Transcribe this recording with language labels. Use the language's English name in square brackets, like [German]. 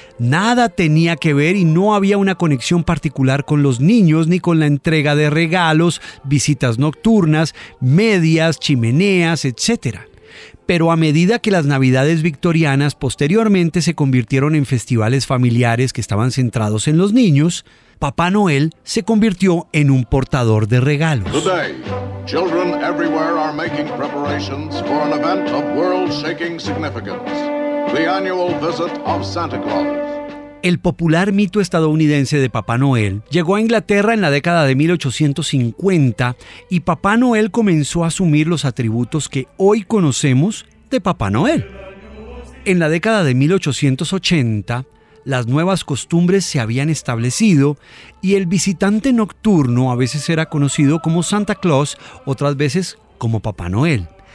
[Spanish] Nada tenía que ver y no había una conexión particular con los niños ni con la entrega de regalos, visitas nocturnas, medias, chimeneas, etc. Pero a medida que las Navidades victorianas posteriormente se convirtieron en festivales familiares que estaban centrados en los niños, Papá Noel se convirtió en un portador de regalos. [English] Today, children everywhere are making preparations for an event of world-shaking significance, the annual visit of Santa Claus. [Spanish] El popular mito estadounidense de Papá Noel llegó a Inglaterra en la década de 1850 y Papá Noel comenzó a asumir los atributos que hoy conocemos de Papá Noel. En la década de 1880, las nuevas costumbres se habían establecido y el visitante nocturno a veces era conocido como Santa Claus, otras veces como Papá Noel.